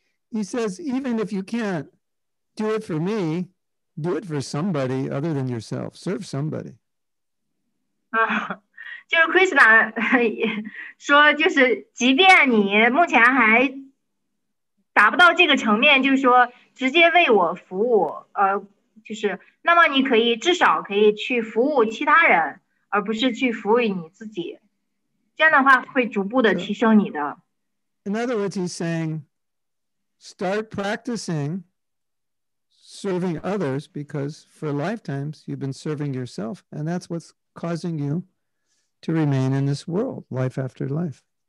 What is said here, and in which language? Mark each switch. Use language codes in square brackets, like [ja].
[en] He says, even if you can't do it for me, do it for somebody other than yourself. Serve somebody. [zh] Krishna说，就是即便你目前还达不到这个层面，就是说直接为我服务，就是那么你可以至少可以去服务其他人，而不是去服务你自己。这样的话会逐步的提升你的。 [en] In other words, he's saying, start practicing serving others because for lifetimes you've been serving yourself and that's what's causing you to remain in this world life after life.